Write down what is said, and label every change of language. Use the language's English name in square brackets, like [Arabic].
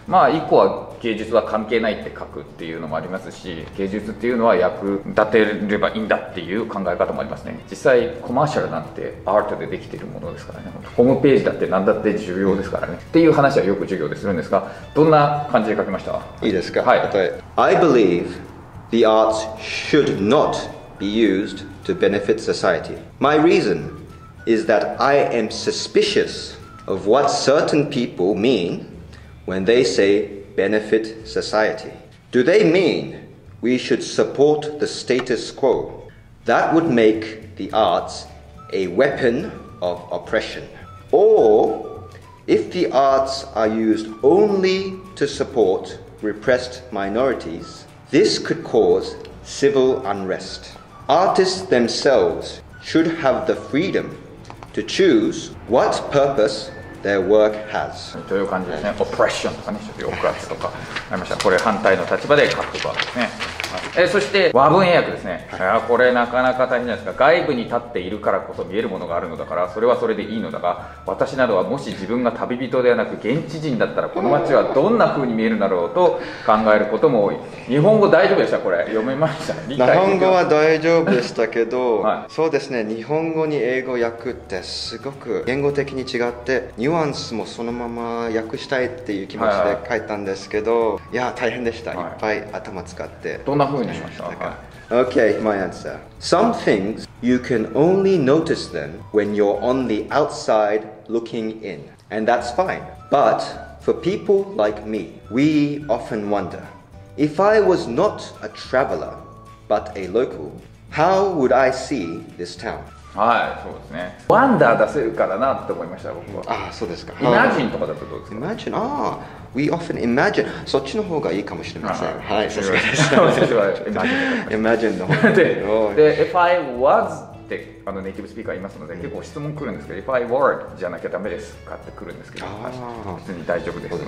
[Japanese] まあ、以降は芸術は関係ないって書くっていうのもありますし、芸術っていうのは役立てればいいんだっていう考え方もありますね。実際コマーシャルなんてアートでできているものですからね。ホームページだって何だって重要ですからね、うん、っていう話はよく授業でするんですが、どんな感じで書きました？いいですか。はい、 [English] I believeThe arts should not be used to benefit society. My reason is that I am suspicious of what certain people mean when they say benefit society. Do they mean we should support the status quo? That would make the arts a weapon of oppression. Or if the arts are used only to support repressed minoritiesThis could cause civil unrest. Artists themselves should have the freedom to choose what purpose their work has. [Japanese] という感じですね。Oppression とかね、ちょっと抑圧とかありました。これ反対の立場で書くわけですね。そして和文英訳ですね。これなかなか大変じゃないですか。外部に立っているからこそ見えるものがあるのだから、それはそれでいいのだが、私などはもし自分が旅人ではなく現地人だったら、この街はどんな風に見えるだろうと考えることも多い。日本語大丈夫でした？これ読めました？日本語は大丈夫でしたけど、はい、そうですね、日本語に英語訳ってすごく言語的に違って、ニュアンスもそのまま訳したいっていう気持ちで書いたんですけど、はいはい、いや大変でした。いっぱい頭使って、はい、どんな風にしましたか？ [English] Okay, my answer. Some things you can only notice them when you're on the outside looking in, and that's fine. But for people like me, we often wonder, if I was not a traveler, but a local, how would I see this town? [Japanese] はい、そうですね。ワンダー出せるからなって思いました、僕は。ああ、そうですか。イマジンとかだとどうですか。イマジン、ああ、 We often imagine、そっちの方がいいかもしれません。はい、さすがです。イマジンの方が。で、 If I was ってあのネイティブスピーカーいますので、結構質問来るんですけど、 If I were じゃなきゃダメですかって来るんですけど、普通に大丈夫ですので。